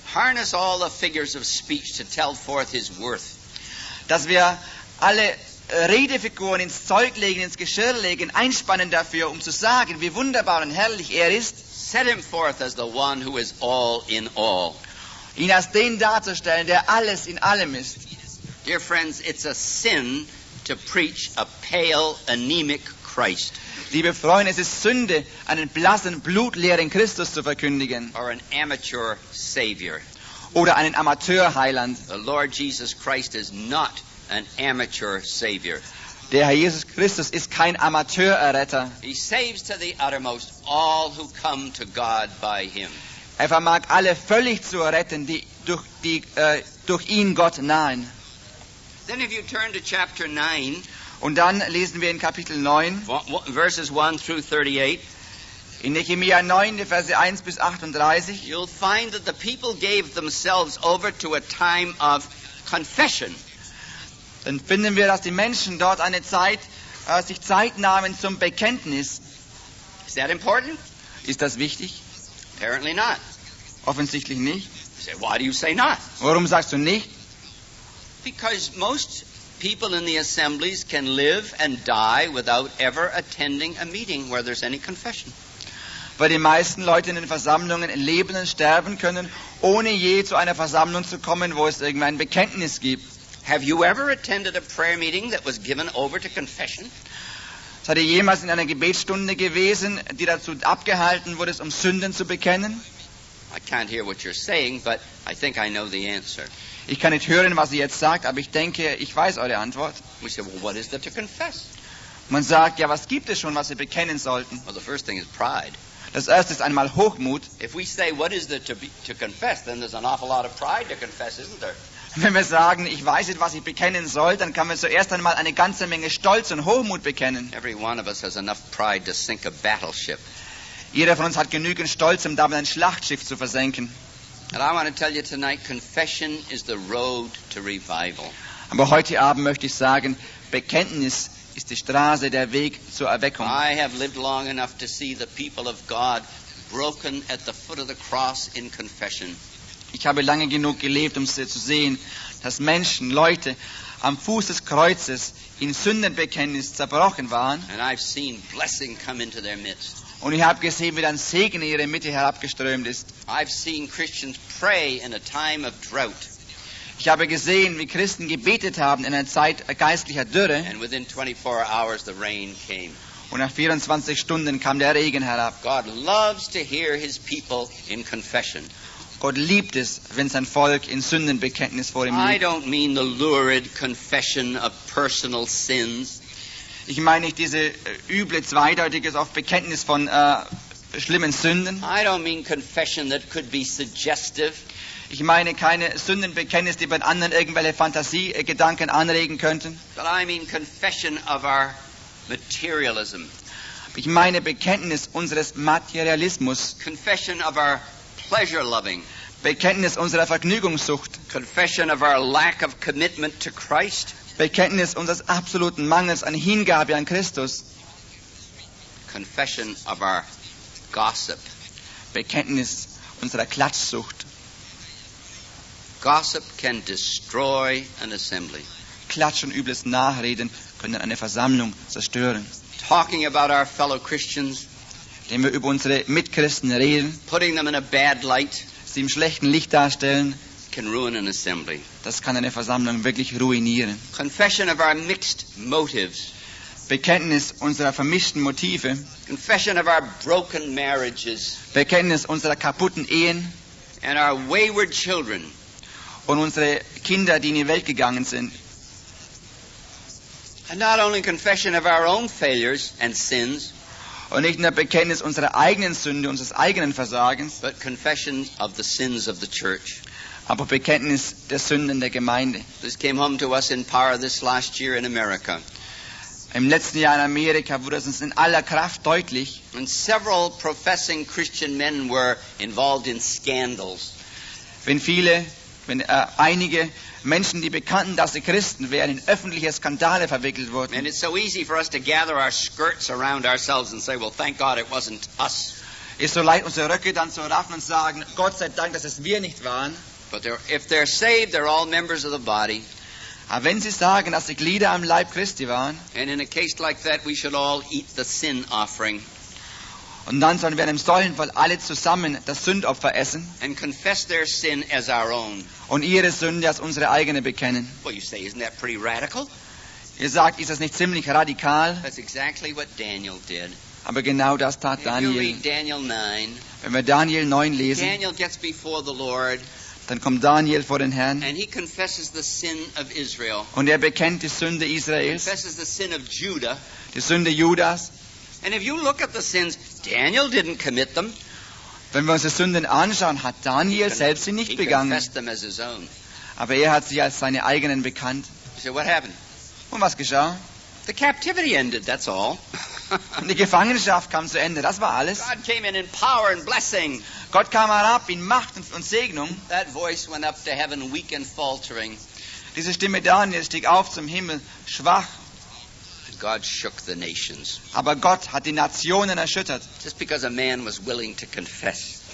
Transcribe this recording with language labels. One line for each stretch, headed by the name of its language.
English: Harness all the figures of speech to tell forth his worth.
German: Dass wir alle Redefiguren ins Zeug legen, ins Geschirr legen, einspannen dafür, um zu sagen, wie wunderbar und herrlich er ist.
English: Set him forth as the one who is all in all.
German: Ihn als den darzustellen, der alles in allem ist.
English: Dear friends, it's a sin to preach a pale, anemic Christ.
German: Liebe Freunde, es ist Sünde, einen blassen, blutleeren Christus zu verkündigen.
English: Or an amateur savior.
German: oder einen Amateurheiland.
English: The Lord Jesus Christ is not an amateur savior.
German: Der Herr Jesus Christus ist kein Amateurerretter.
English: He saves to the uttermost all who come to God by him.
German: Er vermag alle völlig zu retten, die durch die durch ihn Gott nahen.
English: Then if you turn to chapter 9,
German: und dann lesen wir in Kapitel 9,
English: verses 1 through 38,
German: in Nehemia 9, die Verse 1 bis 38,
English: you'll find that the people gave themselves over to a time of confession.
German: Dann finden wir, dass die Menschen dort eine Zeit, sich Zeit nahmen zum Bekenntnis.
English: Is that important?
German: Ist das wichtig?
English: Apparently not.
German: Offensichtlich nicht.
English: You say, why do you say not?
German: Warum sagst du nicht?
English: Because most people in the assemblies can live and die without ever attending a meeting where there's any confession.
German: Weil die meisten Leute in den Versammlungen leben und sterben können, ohne je zu einer Versammlung zu kommen, wo es irgendein Bekenntnis gibt.
English: Have you ever attended a prayer meeting that was given over to confession?
German: Seid ihr jemals in einer Gebetsstunde gewesen, die dazu abgehalten wurde, um Sünden zu bekennen?
English: I can't hear what you're saying, but I think I know the answer.
German: Ich kann nicht hören, was ihr jetzt sagt, aber ich denke, ich weiß eure Antwort.
English: We say, well, what is there to confess?
German: Man sagt, ja, was gibt es schon, was wir bekennen sollten?
English: Well, the first thing is pride.
German: Das erste ist einmal Hochmut.
English: If we say, what is there to confess, then there's an awful lot of pride to confess, isn't there?
German: Wenn wir sagen, ich weiß nicht, was ich bekennen soll, dann kann man zuerst einmal eine ganze Menge Stolz und Hochmut bekennen.
English: Every one of us has enough pride to sink a battleship.
German: Jeder von uns hat genügend Stolz, um damit ein Schlachtschiff zu versenken.
English: And I want to tell you tonight, confession is the road to revival.
German: Aber heute Abend möchte ich sagen, Bekenntnis ist die Straße, der Weg zur Erweckung.
English: I have lived long enough to see the people of God broken at the foot of the cross in confession.
German: Ich habe lange genug gelebt, um zu sehen, dass Menschen, Leute am Fuß des Kreuzes in Sündenbekenntnis zerbrochen waren.
English: And I've seen blessing come into their midst.
German: Und ich habe gesehen, wie dann Segen in ihre Mitte herabgeströmt ist.
English: I've seen Christians pray in a time of drought.
German: Ich habe gesehen, wie Christen gebetet haben in einer Zeit geistlicher Dürre.
English: And within 24 hours the rain came.
German: Und nach 24 Stunden kam der Regen herab.
English: God loves to hear his people in confession.
German: Gott liebt es, wenn sein Volk in Sündenbekenntnis vor ihm liegt.
English: I don't mean the lurid confession of personal sins.
German: Ich meine nicht diese üble, zweideutige oft Bekenntnis von schlimmen Sünden.
English: I don't mean confession that could be suggestive.
German: Ich meine keine Sündenbekenntnis, die bei anderen irgendwelche Fantasiegedanken anregen könnten.
English: But I mean confession of our materialism.
German: Ich meine Bekenntnis unseres Materialismus.
English: Confession of our pleasure loving.
German: Bekenntnis unserer Vergnügungssucht.
English: Confession of our lack of commitment to Christ.
German: Bekenntnis unseres absoluten Mangels an Hingabe an Christus.
English: Confession of our gossip.
German: Bekenntnis unserer Klatschsucht.
English: Gossip can destroy an assembly.
German: Klatsch und übles Nachreden können eine Versammlung zerstören.
English: Talking about our fellow Christians,
German: indem wir über unsere Mitchristen reden,
English: putting them in a bad light,
German: sie im schlechten Licht darstellen,
English: can ruin an assembly.
German: Das kann eine Versammlung wirklich ruinieren.
English: Confession of our mixed motives.
German: Bekenntnis unserer vermischten Motive.
English: Confession of our broken marriages.
German: Bekenntnis unserer kaputten Ehen.
English: And our wayward children.
German: Und unsere Kinder, die in die Welt gegangen sind.
English: And not only confession of our own failures and sins.
German: Und nicht nur Bekenntnis unserer eigenen Sünde, unseres eigenen Versagens.
English: But confession of the sins of the church.
German: Aber Bekenntnis der Sünden der Gemeinde.
English: This came home to us in power this last year in America.
German: Im letzten Jahr in Amerika wurde es uns in aller Kraft deutlich.
English: And several professing Christian men were involved in scandals.
German: Wenn einige Menschen, die bekannten, dass sie Christen wären, in öffentliche Skandale verwickelt wurden.
English: And it's so easy for us to gather our skirts around ourselves and say, well, thank God it wasn't us.
German: Ist so leicht, unsere Röcke dann zu raffen und sagen, Gott sei Dank, dass es wir nicht waren.
English: But if they're saved, they're all members of the body.
German: Aber wenn sie sagen, dass sie Glieder am Leib Christi waren.
English: And in a case like that, we should all eat the sin offering.
German: Und dann sollen wir in einem solchen Fall alle zusammen das Sündopfer essen.
English: And confess their sin as our own.
German: Und ihre Sünde als unsere eigene bekennen.
English: Well, you say, isn't that pretty radical?
German: Ihr sagt, ist das nicht ziemlich radikal?
English: That's exactly what Daniel did.
German: Aber genau das tat Daniel. Wenn wir Daniel 9 lesen.
English: Daniel gets before the Lord.
German: Dann kommt Daniel vor den Herrn.
English: And he confesses the sin of Israel.
German: Und er bekennt die Sünde Israels.
English: Confesses the sin of Judah.
German: Die Sünde Judas.
English: And if you look at the sins, Daniel didn't commit them.
German: Wenn wir uns die Sünden anschauen, hat Daniel selbst sie nicht begangen.
English: He confessed them as his own.
German: Aber er hat sie als seine eigenen bekannt.
English: So what happened?
German: Und was geschah?
English: The captivity ended, that's all.
German: Die Gefangenschaft kam zu Ende, das war alles.
English: God came in power and blessing.
German: Gott kam herab in Macht und Segnung.
English: That voice went up to heaven weak and faltering.
German: Diese Stimme Daniel stieg auf zum Himmel, schwach.
English: God shook the nations.
German: Aber Gott hat die Nationen erschüttert.
English: Just because a man was willing to confess.